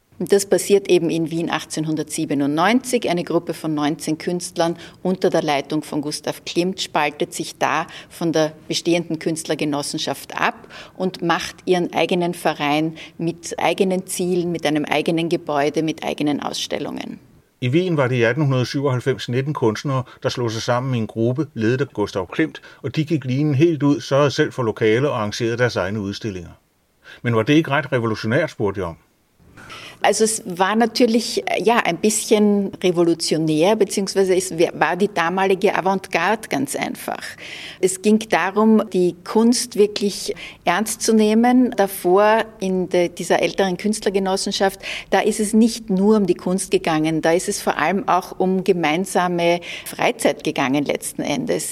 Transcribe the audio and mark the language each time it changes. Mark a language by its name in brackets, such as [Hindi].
[German] Das passiert eben in Wien 1897. Eine Gruppe von 19 Künstlern unter der Leitung von Gustav Klimt spaltet sich da von der bestehenden Künstlergenossenschaft ab und macht ihren eigenen Verein mit eigenen Zielen, mit einem eigenen Gebäude, mit eigenen Ausstellungen. [Danish] I Wien var det i 1897 19 kunstnere, der slog sig sammen i en gruppe, ledet af Gustav Klimt, og de gik linen helt ud, sørgede selv for lokale og arrangerede deres egne udstillinger. Men var det ikke ret revolutionært, spurgte jeg om? [German] Also es war natürlich ja ein bisschen revolutionär, beziehungsweise es war die damalige Avantgarde ganz einfach. Es ging darum, die Kunst wirklich ernst zu nehmen. Davor in dieser älteren Künstlergenossenschaft, da ist es nicht nur um die Kunst gegangen, da ist es vor allem auch um gemeinsame Freizeit gegangen letzten Endes.